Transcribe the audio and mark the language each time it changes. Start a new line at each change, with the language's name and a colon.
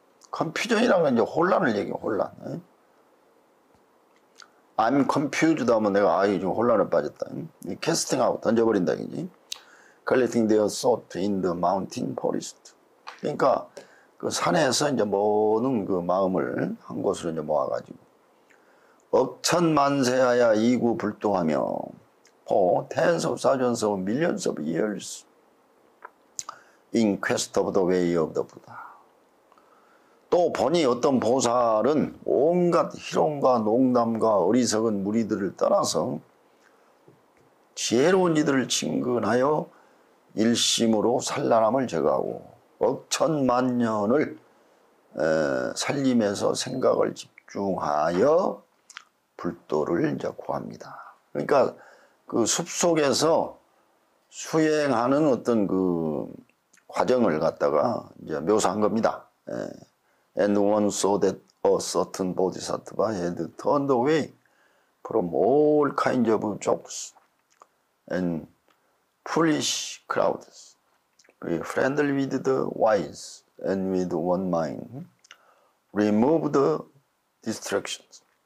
Korean: 컴퓨전이라는 건 이제 혼란을 얘기해요. 혼란. 에?
English: I'm confused
Korean: 하면 내가 아예 좀 혼란에 빠졌다. 캐스팅 아웃 던져버린다.
English: 이제 collecting their thought in the mountain forest.
Korean: 그러니까 그 산에서 이제 모든 그 마음을 한 곳으로 이제 모아가지고 억천만세하야 이구불도하며
English: for tens of thousands of millions of years in quest of the way of the Buddha.
Korean: 또 보니 어떤 보살은 온갖 희롱과 농담과 어리석은 무리들을 떠나서 지혜로운 이들을 친근하여 일심으로 산란함을 제거하고 억천만년을 살림에서 생각을 집중하여 불도를 이제 구합니다. 그러니까 그 숲속에서 수행하는 어떤 그 과정을 갖다가 이제 묘사한 겁니다. 에.
English: And one saw that a certain bodhisattva had turned away from all kinds of jokes and foolish crowds, friendly with the wise and with one mind, removed the distractions.